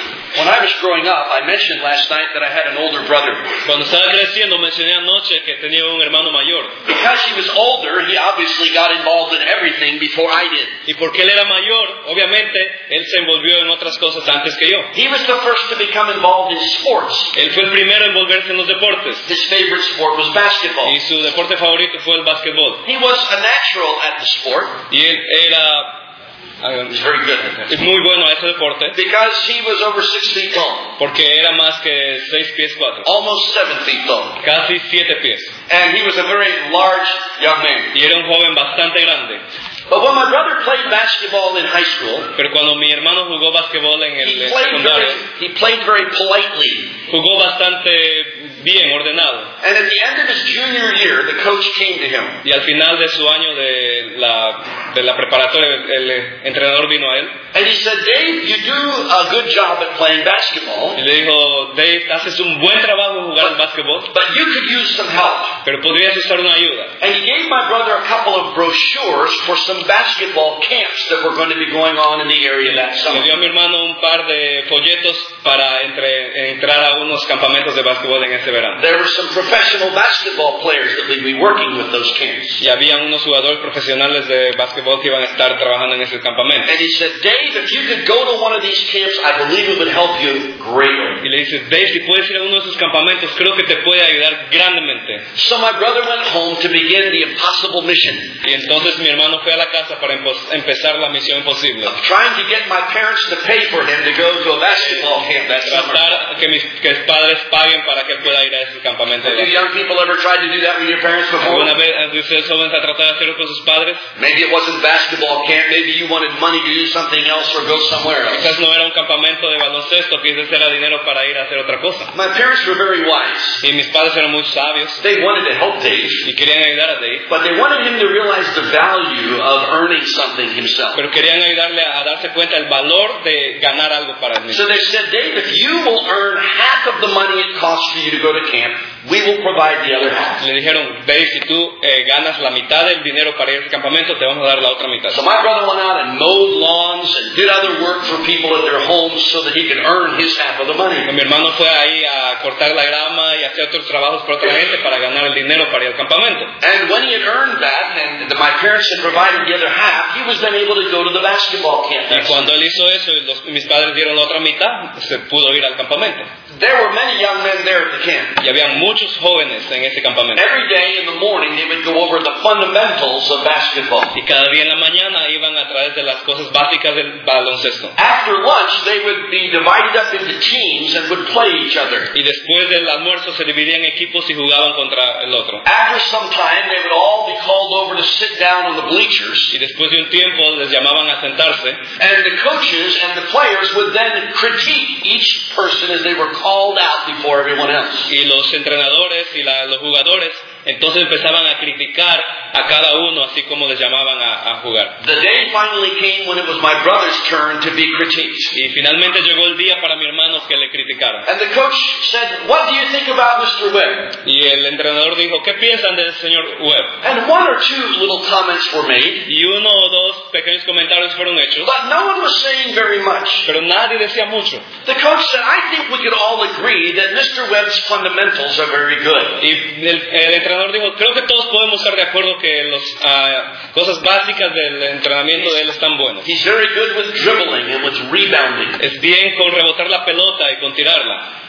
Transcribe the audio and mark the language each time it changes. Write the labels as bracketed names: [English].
[English] When I was growing up, I mentioned last night that I had an older brother. [Spanish] Cuando estaba creciendo, mencioné anoche que tenía un hermano mayor. [English] Because he was older, he obviously got involved in everything before I did. [Spanish] Y porque él era mayor, obviamente, él se envolvió en otras cosas antes que yo. [English] He was the first to become involved in sports. [Spanish] Él fue el primero en volverse en los deportes. [English] His favorite sport was basketball. [Spanish] Y su deporte favorito fue el basketball. [English] He was a natural at the sport. [Spanish] Y él era... [English] He's very good. [Spanish] Es muy bueno a ese deporte. [English] Because he was over 6 feet tall. [Spanish] Porque era más que 6 pies 4. [English] Almost 7 feet tall. [Spanish] Casi 7 pies. [English] And he was a very large young man. [Spanish] Y era un joven bastante grande. [English] But when my brother played basketball in high school, [Spanish] pero cuando mi hermano jugó basketball en el secundario, [English] he played very politely. [Spanish] Jugó bastante bien, ordenado. [English] And at the end of his junior year, the coach came to him. [Spanish] Y al final de su año de la preparatoria, el entrenador vino a él. [English] And he said, "Dave, you do a good job at playing basketball." [Spanish] Y le dijo, "Dave, haces un buen trabajo jugar al basketball." [English] But you could use some help. [Spanish] Pero podrías usar una ayuda. [English] And he gave my brother a couple of brochures for some basketball camps that were going to be going on in the area that summer. [Spanish] Le dio a mi hermano un par de folletos para entrar a unos campamentos de basketball en ese verano. [English] There were some professional basketball players that would be working with those camps. [Spanish] Y había unos jugadores profesionales de basketball que iban a estar trabajando en ese campamento. [English] And he said, "Dave, if you could go to one of these camps, I believe it would help you greatly." [Spanish] Y le dice, "Dave, si puedes ir a uno de esos campamentos, creo que te puede ayudar grandemente." [English] So my brother went home to begin the impossible mission. [Spanish] Y entonces mi hermano fue a la casa para empezar la misión imposible. [English] Of trying to get my parents to pay for him to go to a basketball camp that summer. [Spanish] Tratar que mis padres paguen para que pueda ir a ese campamento. [English] Have you young people ever tried to do that with your parents before? [Spanish] ¿Alguna vez ustedes jóvenes han tratado de hacerlo con sus padres? [English] Maybe it wasn't basketball camp. Maybe you wanted money to do something else or go somewhere else. [Spanish] Quizás no era un campamento de baloncesto, quizás era dinero para ir a hacer otra cosa. [English] My parents were very wise. [Spanish] Y mis padres eran muy sabios. [English] They wanted to help Dave. [Spanish] Y querían ayudar a Dave. [English] But they wanted him to realize the value of earning something himself. [Spanish] Pero querían ayudarle a darse cuenta el valor de ganar algo para él. [English] So they said, "Dave, if you will earn half of the money it costs for you to go to camp, we will provide the other half." [Spanish] Le dijeron, "Dave, si tú ganas la mitad del dinero para ir al campamento, te vamos a dar la otra mitad." [English] So my brother went out and mowed lawns and did other work for people at their homes so that he could earn his half of the money. [Spanish] Y mi hermano fue ahí a cortar la grama y hacer otros trabajos para otra gente para ganar el dinero para ir al campamento. [English] And when he had earned that, and my parents had provided the other half, he was then able to go to the basketball camp. [Spanish] Y cuando él hizo eso, mis padres dieron la otra mitad, se pudo ir al campamento. [English] There were many young men there at the camp. [Spanish] Y había muchos jóvenes en ese campamento. [English] Every day in the morning they would go over the fundamentals of basketball. [Spanish] Y cada día en la mañana iban a través de las cosas básicas del baloncesto. [English] After lunch they would be divided up into teams and would play each other. [Spanish] Y después del almuerzo se dividían equipos y jugaban contra el otro. [English] After some time they would all be called over to sit down on the bleachers. [Spanish] Y después de un tiempo les llamaban a sentarse. [English] And the coaches and the players would then critique each person as they were called out before everyone else. [Spanish] Y los entrenadores y los jugadores Entonces empezaban a criticar a cada uno, así como les llamaban a jugar. [English] The day finally came when it was my brother's turn to be critiqued. [Spanish] Y finalmente llegó el día para mi hermano que le criticaron. [English] And the coach said, "What do you think about Mr. Webb?" [Spanish] Y el entrenador dijo, "¿Qué piensan del señor Webb?" [English] And one or two little comments were made. [Spanish] Y uno o dos pequeños comentarios fueron hechos. [English] But no one was saying very much. [Spanish] Pero nadie decía mucho. [English] The coach said, "I think we could all agree that Mr. Webb's fundamentals are very good." [Spanish] Y el entrenador dijo, "Creo que todos podemos estar de acuerdo que las cosas básicas del entrenamiento de él están buenas. [English] He's very good with dribbling and with rebounding. [Spanish] Es bien con rebotar la pelota y con tirarla.